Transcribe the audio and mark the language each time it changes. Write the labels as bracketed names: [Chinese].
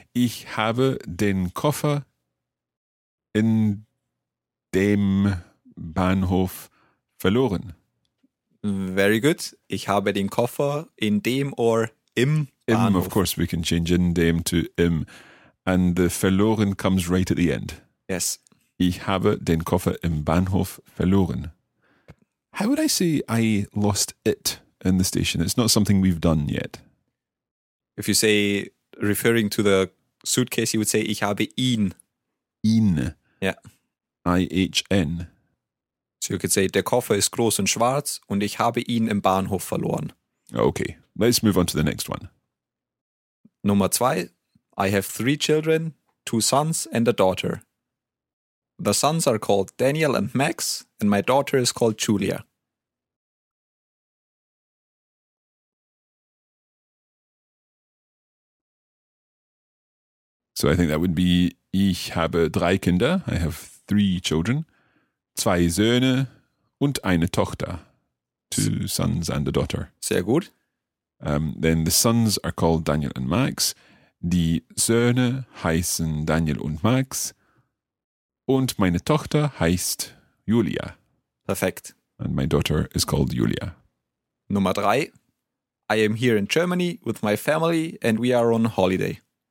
[German] Ich habe den Koffer in dem Bahnhof verloren. [English] Very good. [German] Ich habe den Koffer in dem or im Bahnhof. [English] Im, of course, we can change in dem to im. And the verloren comes right at the end. Yes. [German] Ich habe den Koffer im Bahnhof verloren. [English] How would I say I lost it in the station? It's not something we've done yet. If you say, referring to the suitcase, you would say, [German] ich habe ihn. Ihn. [English] Yeah. I-H-N. So you could say, [German] der Koffer ist groß und schwarz und ich habe ihn im Bahnhof verloren. [English] Okay, let's move on to the next one. Nummer 2, I have 3 children, 2 sons and a daughter. The sons are called Daniel and Max, and my daughter is called Julia. So I think that would be, [German] ich habe drei Kinder, [English] I have three children, [German] zwei Söhne und eine Tochter, [English] two sons and a daughter. [German] Sehr gut. [English] Then the sons are called Daniel and Max, [German] die Söhne heißen Daniel und Max, und meine Tochter heißt Julia. Perfekt. [English] And my daughter is called Julia. Nummer drei, I am here in Germany with my family and we are on holiday.